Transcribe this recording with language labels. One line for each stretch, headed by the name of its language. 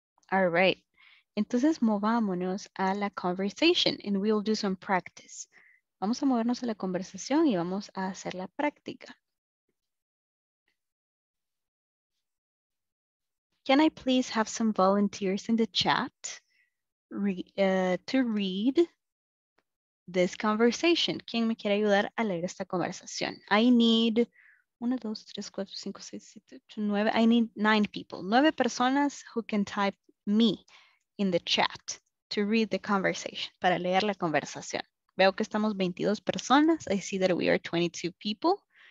English: All right.
Spanish: Entonces, movámonos a la
English: conversation and we'll do some practice.
Spanish: Vamos a movernos a la conversación y vamos a hacer la práctica.
English: Can I please have some volunteers in the chat to read this conversation?
Spanish: ¿Quién me quiere ayudar a leer esta conversación?
English: I need 1, 2, 3, 4, 5, 6, 7, 8, 9. I need 9 people.
Spanish: 9 personas
English: who can type me in the chat to read the conversation,
Spanish: para leer la conversación. Veo que estamos 22 personas.
English: I see that we are 22 people.